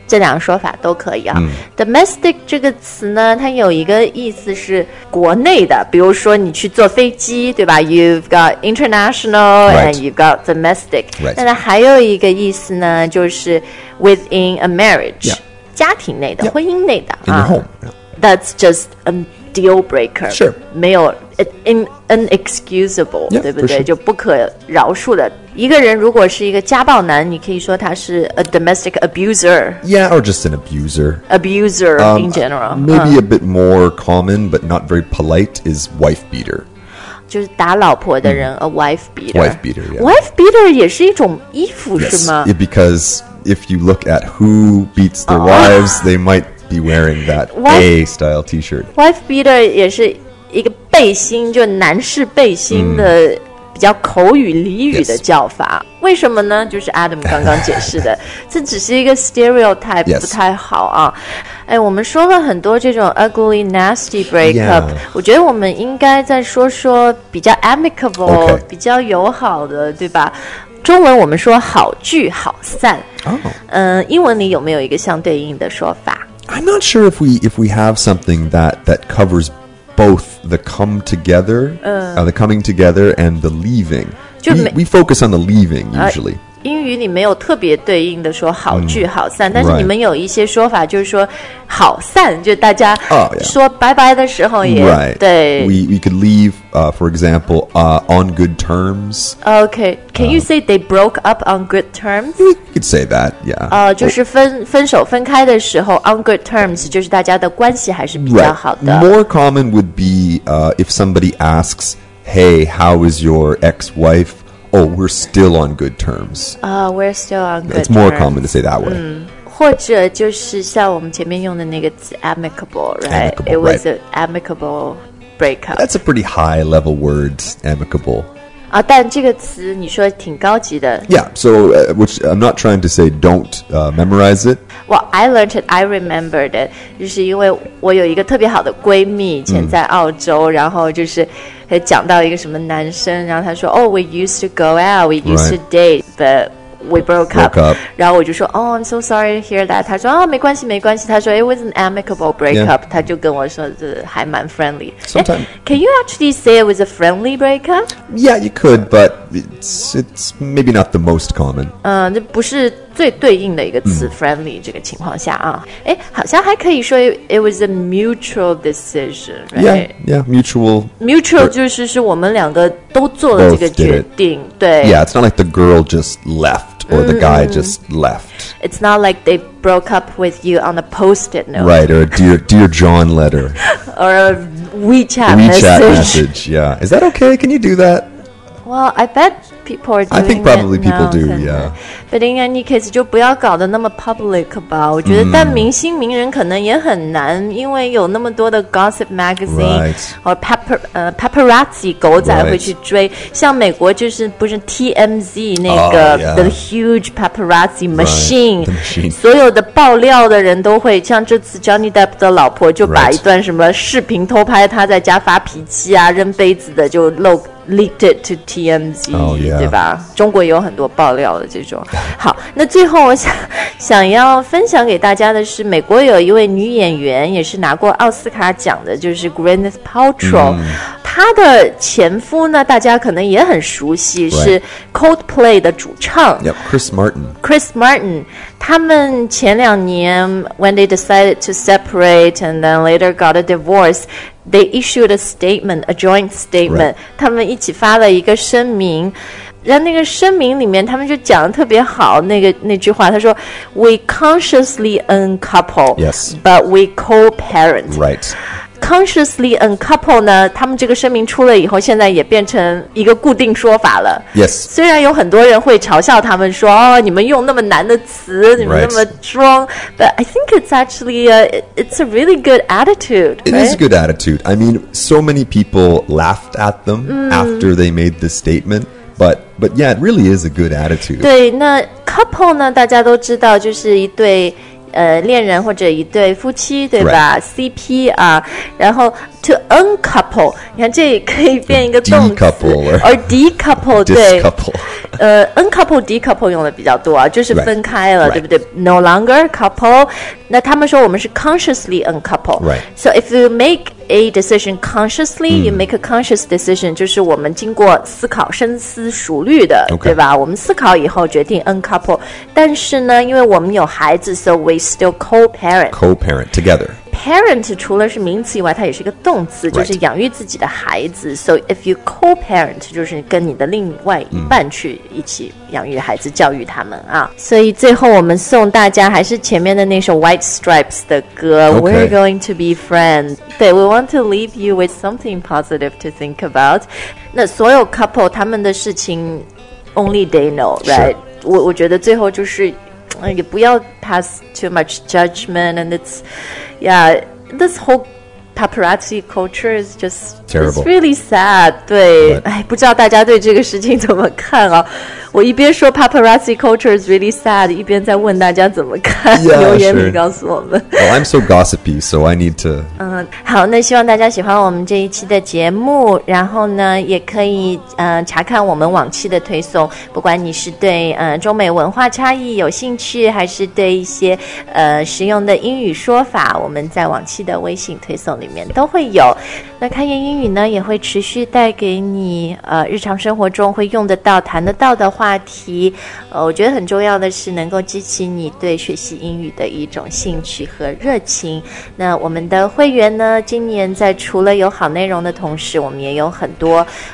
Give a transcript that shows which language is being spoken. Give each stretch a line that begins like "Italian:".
Chinese: 这两个说法都可以、Domestic 这个词呢它有一个意思是国内的比如说你去坐飞机对吧
English: You've got international、 right. and you've got domestic、 right.
Chinese: 但还有一个意思呢就是
English: within a marriage、 yeah.
Chinese: 家庭内的 婚姻内的
English: In your home、 That's just a deal breaker Sure
Chinese: 没有 inexcusable
English: yeah,
Chinese: 对不对、
English: sure.
Chinese: 就不可饶恕的一个人如果是一个家暴男你可以说他是
English: a domestic abuser Yeah or just an abuser Abuser、in general Maybe a bit more common but not very polite is wife beater
Chinese: 就是打老婆的人、
English: A wife beater Wife beater、yeah.
Chinese: Wife beater 也是一种衣服、
English: yes.
Chinese: 是吗
English: Yes becauseIf you look at who beats their wives, they might be wearing that A-style t-shirt.
Chinese: Wife beater 也是一个背心，就男士背心的比较口语俚语的叫法。为什么呢？就是 Adam 刚刚解释的，这只是一个 stereotype 不太好啊。哎，我们说了很多这种
English: ugly, nasty breakup.
Chinese: 我觉得我们应该再说说比较 amicable, 比较友好的，对吧？中文我们说好聚好散、英文里有没有一个相对应的说法
English: I'm not sure if we have something that covers both the come together、the coming together and the leaving we focus on the leaving usually、
Chinese: 英语里没有特别对应的说好聚好散、但是你们有一些说法就是说好散就大家说拜拜的时候也、对
English: we could leave、for example、on good terms okay can、you say they broke up on good terms you could say that yeah、
Chinese: 就是 分手分开的时候
English: on good terms
Chinese: 就是大家的关系还是比较好的、
English: more common would be、if somebody asks hey how is your ex-wifeOh, we're still on good terms. We're still on good terms. It's more common to say that way.
Chinese: 或者就是像我们前面用的那个词 amicable, right?
English: Amicable, It was right. an amicable breakup. That's a pretty high level word, amicable.
Chinese: 但这个词你说挺高级的。
English: Yeah, so which I'm not trying to say don't memorize it. Well, I learned it, I remembered it.
Chinese: 就是因为我有一个特别好的闺蜜以前在澳洲、然后就是讲到一个什么男生然后他说
English: Oh, we used to go out, we used to date, but we broke up.
Chinese: 然后我就说
English: Oh, I'm so sorry to hear that.
Chinese: 他说、oh, 没关系。他说
English: It was an amicable breakup.、 Yeah.
Chinese: 他就跟我说这还蛮 friendly.
English: Sometimes. Can you actually say it was a friendly breakup? Yeah, you could, but it's maybe not the most common.
Chinese: 这不是最对应的一个词、friendly 这个情况下啊。诶，好像还可以说
English: it was a mutual decision, right? Yeah, mutual.
Chinese: Mutual 就是是我们两个都做了这个决定。对。
English: Yeah, it's not like the girl just left or the guy just left. It's not like they broke up with you on a post-it note. Right, or a dear John letter. Or a WeChat message, yeah. Is that okay? Can you do that? Well, I bet people are doing it. I think probably people do, yeah.
Chinese: But in any case, 就不要搞得那么 public 吧。我觉得但明星名人可能也很难，因为有那么多的 gossip magazine、
English: right. or paparazzi
Chinese: 狗仔会去追。
English: Right.
Chinese: 像美国就是不是 TMZ 那个、
English: yeah. the huge paparazzi machine, right, the machine,
Chinese: 所有的爆料的人都会。像这次 Johnny Depp 的老婆就把一段什么视频偷拍他在家发脾气啊、扔杯子的就露。
English: Leaked it to TMZ,、 yeah.
Chinese: 对吧？中国有很多爆料的这种。好，那最后我想要分享给大家的是，美国有一位女演员，也是拿过奥斯卡奖的，就是 Gwyneth Paltrow、嗯。她的前夫呢，大家可能也很熟悉，
English: right.
Chinese: 是 Coldplay 的主唱
English: yep, Chris Martin。 Chris Martin，
Chinese: 他们前两年
English: when they decided to separate and then later got a divorce。 They issued a statement, a joint statement.、 Right.
Chinese: 他们一起发了一个声明，然后那个声明里面，他们就讲得特别好。那句话，他说
English: ，We consciously uncouple, yes, but we co-parent. Right. Consciously uncouple 呢？
Chinese: 他们这个声明出了以后，现在也变成一个固定说法了。
English: Yes.
Chinese: 虽然有很多人会嘲笑他们说，哦，你们用那么难的词，你们那么装。
English: Right. But I think it's actually it's a really good attitude. It is a good attitude. I mean, so many people laughed at them after they made this statement. But yeah, it really is a good attitude.
Chinese: 对，那 couple 呢？大家都知道，就是一对。恋人或者一对夫妻对吧、
English: right.
Chinese: CP 啊，然后 to uncouple 你看这可以变一个动词
English: decouple or decouple
Chinese: 对 uncouple decouple 用的比较多啊，就是分开了、
English: right.
Chinese: 对不对
English: no longer couple
Chinese: 那他们说我们是
English: consciously uncouple、 right. so if you make a decision consciously、you make a conscious decision
Chinese: 就是我们经过思考深思熟虑的、
English: okay.
Chinese: 对吧我们思考以后决定 uncouple 但是呢因为我们有孩子
English: so we still co-parent together
Chinese: Parent 除了是名词以外它也是一个动词、
English: right.
Chinese: 就是养育自己的孩子
English: So if you co-parent
Chinese: 就是跟你的另外一半去一起养育孩子、教育他们啊。所以最后我们送大家还是前面的那首 White Stripes 的歌、
English: okay. We're going to be friends 对 We want to leave you with something positive to think about
Chinese: 那所有 couple 他们的事情
English: Only they know right?
Chinese: 我觉得最后就是也不要
English: pass too much judgment and it's yeah this whole paparazzi culture is just terrible it's really sad 对、 right.
Chinese: 哎、不知道大家对这个事情怎么看哦我一边说
English: paparazzi culture is really sad
Chinese: 一边在问大家怎么看
English: yeah,
Chinese: 留言里告诉我们
English: sure. Well, I'm so gossipy so I need to
Chinese: 好那希望大家喜欢我们这一期的节目然后呢也可以查看我们往期的推送不管你是对中美文化差异有兴趣还是对一些实用的英语说法我们在往期的微信推送里面都会有那开言英语呢也会持续带给你日常生活中会用得到谈得到的话题我觉得很重要的是能够激起你对学习英语的一种兴趣和热情那我们的会员呢今年在除了有好内容的同时我们也有很多